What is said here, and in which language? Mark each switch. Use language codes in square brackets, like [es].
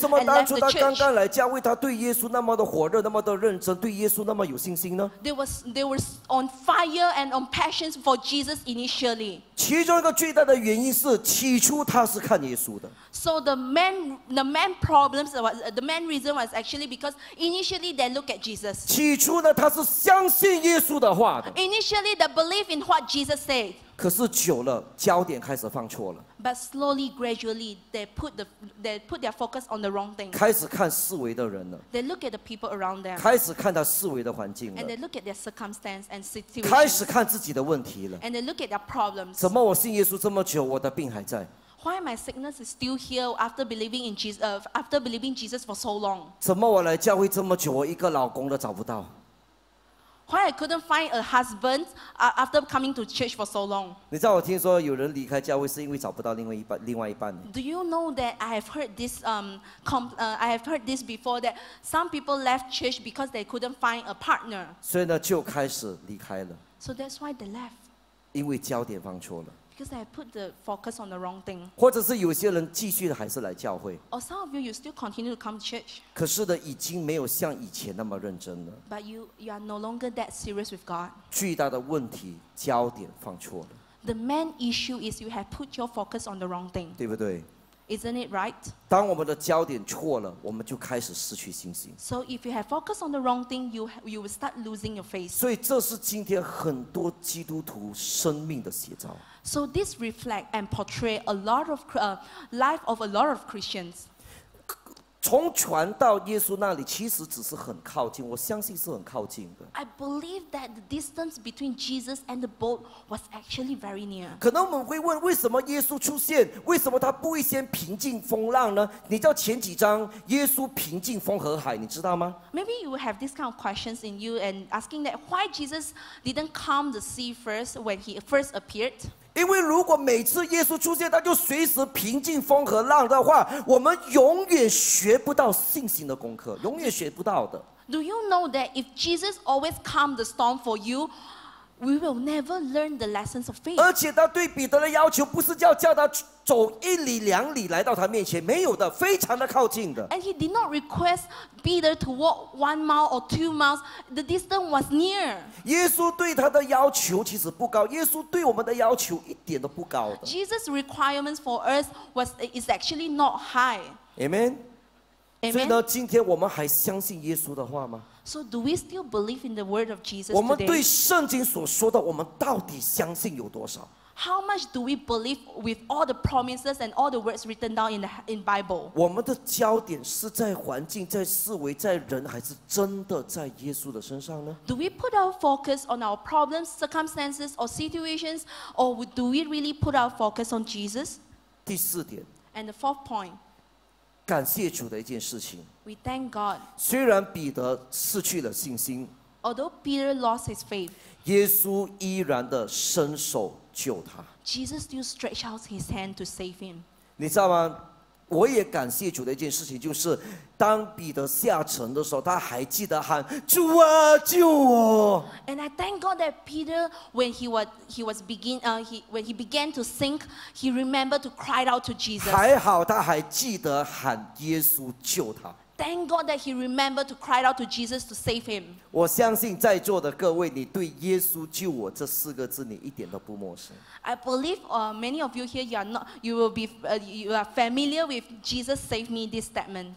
[zh] 为什么当初他刚刚来教会，他对耶稣那么的火热、那么的认真，对耶稣那么有信心呢？ [en] They were on fire and on passion for Jesus initially. [zh] 其中一个最大的原因是，起初他是看耶稣的。 [en] So the main problems was the main reason was actually because initially they look at Jesus. [zh] 起初呢，他是相信耶稣。 [en] Initially, they believe in what Jesus said. [zh] 可是久了，焦点开始放错了。 [en] But slowly, gradually, they put their focus on the wrong thing. [zh] 开始看四围的人了。 [en] They look at the people around them. [zh] 开始看他四围的环境了。 [en] And they look at their circumstance and situation. [zh] 开始看自己的问题了。 [en] And they look at their problems. [zh] 怎么我信耶稣这么久，我的病还在？ [en] Why my sickness is still here after believing in Jesus? After believing Jesus for so long? [zh] 怎么我来教会这么久，我一个老公都找不到？ [en] Why I couldn't find a husband after coming to church for so long? [zh] 你知道我听说有人离开教会是因为找不到另外一半。 [en] Do you know that I have heard this before that some people left church because they couldn't find a partner? [zh] 所以呢就开始离开了。 [en] So that's why they left. [zh] 因为焦点放错了。 [en] Because they have put the focus on the wrong thing. [zh] 或者是有些人继续还是来教会。 [en] Or some of you still continue to come to church. [zh] 可是呢，已经没有像以前那么认真了。 [en] But you are no longer that serious with God. [zh] 巨大的问题，焦点放错了。 [en] The main issue is you have put your focus on the wrong thing. [zh] 对不对？ [en] Isn't it right? [zh] 当我们的焦点错了，我们就开始失去信心。 [en] So if you have focus on the wrong thing, you will start losing your faith. [zh] 所以这是今天很多基督徒生命的写照。 [en] So this reflect and portray a lot of life of a lot of Christians. [zh] 从传到耶稣那里，其实只是很靠近，我相信是很靠近的。 [en] I believe that the distance between Jesus and the boat was actually very near. [zh] 可能我们会问，为什么耶稣出现？为什么他不会先平静风浪呢？你知道前几章耶稣平静风和海，你知道吗？ [en] Maybe you have this kind of questions in you and asking that why Jesus didn't calm the sea first when he first appeared? [zh] 因为如果每次耶稣出现他就随时平静风和浪的话，我们永远学不到信心的功课，永远学不到的。 [en] Do you know that if Jesus always calmed the storm for you, we will never learn the lessons of faith? [zh] 而且他对彼得的要求不是叫他走一里两里来到他面前，没有的，非常的靠近的。 [en] And he did not request Peter to walk 1 mile or 2 miles. The distance was near. [zh] 耶稣对他的要求其实不高，耶稣对我们的要求一点都不高的。 [en] Jesus' requirements for us is actually not high. Amen. Amen. [zh] 所以呢，今天我们还相信耶稣的话吗？ [en] So do we still believe in the word of Jesus today? [zh] 我们对圣经所说的，我们到底相信有多少？ [en] How much do we believe with all the promises and all the words written down in the Bible? [zh] 我们的焦点是在环境、在四围、在人，还是真的在耶稣的身上呢？ [en] Do we put our focus on our problems, circumstances, or situations, or do we really put our focus on Jesus? [zh] 第四点。 [en] And the fourth point. [zh] 感谢主的一件事情。 [en] We thank God. [zh] 虽然彼得失去了信心， [en] although Peter lost his faith, [zh] 耶稣依然的伸手救他。 [en] Jesus still stretched out his hand to save him. [zh] 你知道吗？我也感谢主的一件事情，就是当彼得下沉的时候，他还记得喊主啊，救我。 [en] And I thank God that Peter, when he began to sink, he remembered to cry out to Jesus. [zh] 还好他还记得喊耶稣救他。 [en] Thank God that he remembered to cry out to Jesus to save him. [zh] 我相信在座的各位，你对耶稣救我这四个字你一点都不陌生。 [en] I believe many of you here you are familiar with Jesus save me this statement.